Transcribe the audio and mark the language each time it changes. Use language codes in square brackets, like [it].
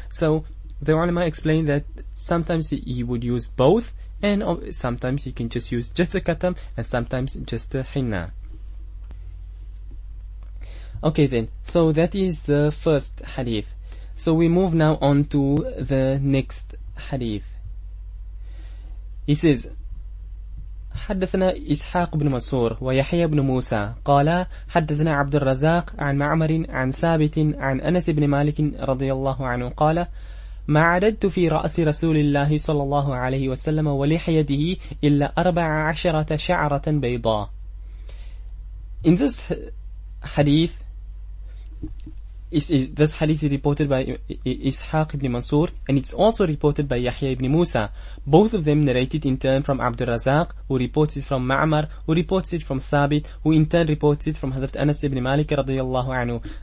[en] So the ulama explained that sometimes he would use both, and sometimes he can just use just the katam, and sometimes just the henna. Okay then, so that is the first hadith. So we move now on to the next hadith. He says, [ar] حدثنا إسحاق بن منصور ويحيى بن موسى قال حدثنا عبد الرزاق عن معمر عن ثابت عن أنس بن مالك رضي الله عنه قال ما عددت في رأس رسول الله صلى الله عليه وسلم ولحيته إلا 14 شعرة بيضاء. [en] In this hadith, this hadith is reported by Ishaq ibn Mansur, and it's also reported by Yahya ibn Musa. Both of them narrated in turn from Abdul Razak, who reports it from Ma'mar, who reports it from Thabit, who in turn reports it from Hazrat Anas ibn Malik radiyallahu anhu.